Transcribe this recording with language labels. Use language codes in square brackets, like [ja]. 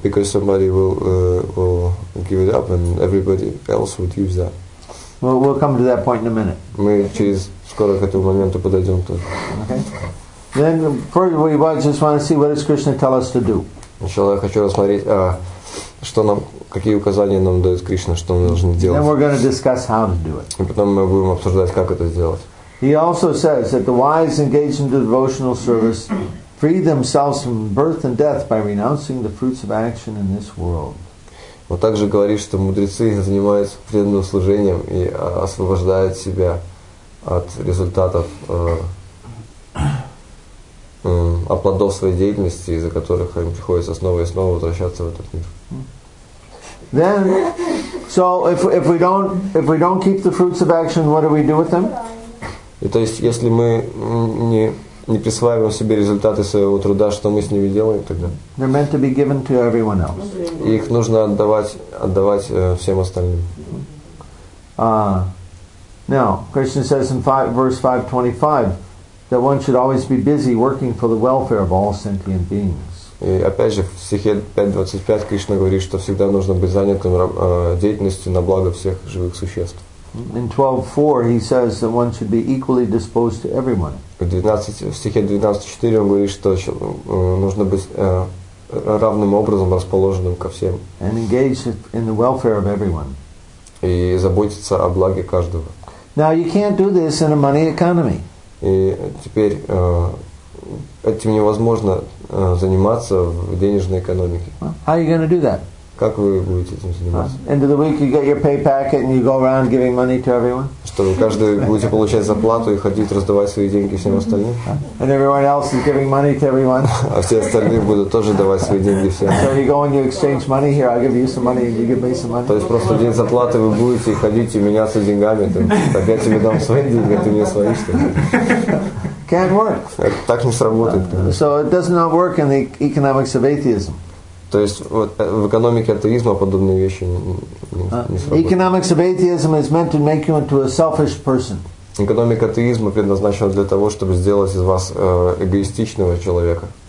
[en] Because somebody will give it up and everybody else would use that. Well, we'll come to that point in a minute. [ru] Мы через скоро к этому моменту подойдем тоже. [en] Then first we just want to see what does Krishna tell us to do. [ru] Сначала я хочу рассмотреть, что нам... Какие указания нам дает Кришна, что мы должны делать? [en] Then we're going to discuss how to do it. [ru] И потом мы будем обсуждать, как это сделать. [en] He also says that the wise engaged in devotional service free themselves from birth and death by renouncing the fruits of action in this world. [ru] Он также говорит, что мудрецы занимаются преданным служением и освобождают себя от результатов от плодов своей деятельности, из-за которых им приходится снова и снова возвращаться в этот мир. [en] Then, so if we don't keep the fruits of action, what do we do with them? [ru] И то есть, если мы не присваиваем себе результаты своего труда, что мы с ними делаем тогда? [en] They're meant to be given to everyone else. [ru] И их нужно отдавать всем остальным. [en] Now, Krishna says in verse 5:25 that one should always be busy working for the welfare of all sentient beings. [ru] И опять же, в стихе 5.25 Кришна говорит, что всегда нужно быть занятым деятельностью на благо всех живых существ. [en] In 12.4 he says that one should be equally disposed to everyone. [ru] В стихе 12.4 он говорит, что нужно быть равным образом расположенным ко всем. [en] And engage in the welfare of everyone. [ru] И заботиться о благе каждого. [en] Now you can't do this in a money economy. [ru] И теперь... Этим невозможно заниматься в денежной экономике. [en] How are you going to do that? [ru] Как вы будете этим заниматься? [en] End of the week you get your pay packet and you go around giving money to everyone. [ru] Что вы каждый будете получать зарплату и ходить раздавать свои деньги всем остальным? [en] And everyone else is giving money to everyone. [ru] А все остальные будут тоже давать свои деньги всем. [en] So you go and you exchange money here. I'll give you some money and you give me some money. [ru] То есть просто день зарплаты вы будете ходить и меняться деньгами. Так я тебе дам свои деньги, а ты мне свои что ли? [en] Can't work. [ru] Так не сработает. [en] So it does not work in the economics of atheism. [ru] То есть вот, в экономике атеизма подобные вещи не сработают. [en] Economics of atheism is meant to make you into a selfish person. [ru] Экономика атеизма предназначена для того, чтобы сделать из вас эгоистичного человека.